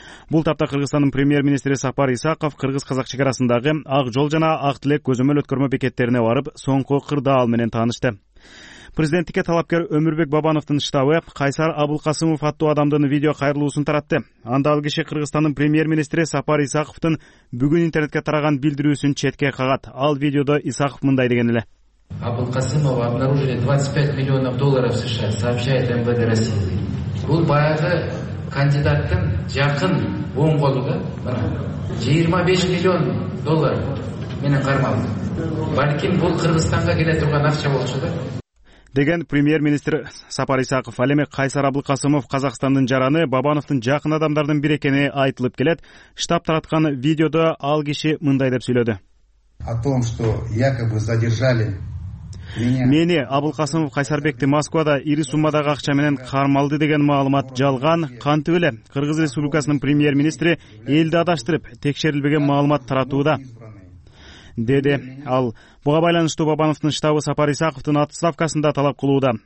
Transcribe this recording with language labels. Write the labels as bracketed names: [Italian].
[Kyrgyz] Бул тапта Кыргызстандын премьер-министри Сапар Исаков кыргыз казак чек арасындагы ак жол жана ак тилек көзөмөл өткөрмө бекеттерине барып соңку кырдаал менен таанышты. Президенттикке талапкер Өмүрбек Бабановдун штабы Кайсар Абылкасымов аттуу адамдын видео кайрылуусун таратты. Анда ал киши Кыргызстандын премьер-министри Сапар Исаковдун бүгүн интернетке тараган билдирүүсүн четке кагат. Ал видеодо Исаков мындай деген эле. [Russian] Абылкасымова обнаружили 25 миллионов долларов США, сообщает МВД России. [Kyrgyz] Бул баягы кандидаттын жакын оң колу да, 25 миллион доллар менен кармалды. Балким бул Кыргызстанга келе турган акча болчу да. Деген премьер-министр Сапар Исаков. Ал эми Кайсар Абылкасымов Казакстандын жараны Бабановдун жакын адамдарынын бири экени айтылып келет. Штаб тараткан видеодо ал киши мындай деп сүйлөдү. [Russian] О том, что якобы задержали [Kyrgyz] мени Абылкасымов Кайсарбекти Москвада ири суммадагы акча менен кармалды деген маалымат жалган. Кантип эле Кыргыз Республикасынын премьер-министри элди адаштырып текшерилбеген маалымат таратууда? Деди ал. Буга байланыштуу Бабановдун штабы Сапар Исаковдун отставкасында талап кылууда.